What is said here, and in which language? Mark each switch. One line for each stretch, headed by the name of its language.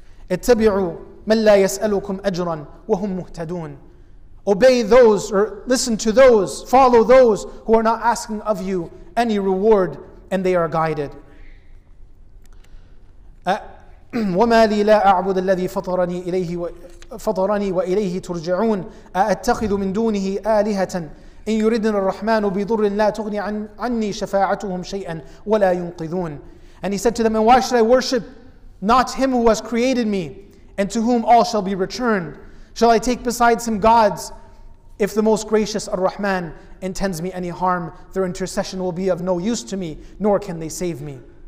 Arabic: اتبعوا من لا يسألكم أجرا وهم مهتدون.
English: Obey those, or listen to those, follow those who are not asking of you any reward, and they are guided.
Arabic: وما لي لا أعبد الذي فطرني إليه فطرني وإليه ترجعون أأتخذ من دونه آلهة إن يردن الرحمن بضر لا تغني عني شفاعتهم شيئا ولا ينقذون.
English: And he said to them, and why should I worship not him who has created me and to whom all shall be returned? Shall I take besides him gods if the most gracious Ar-Rahman intends me any harm? Their intercession will be of no use to me, nor can they save me.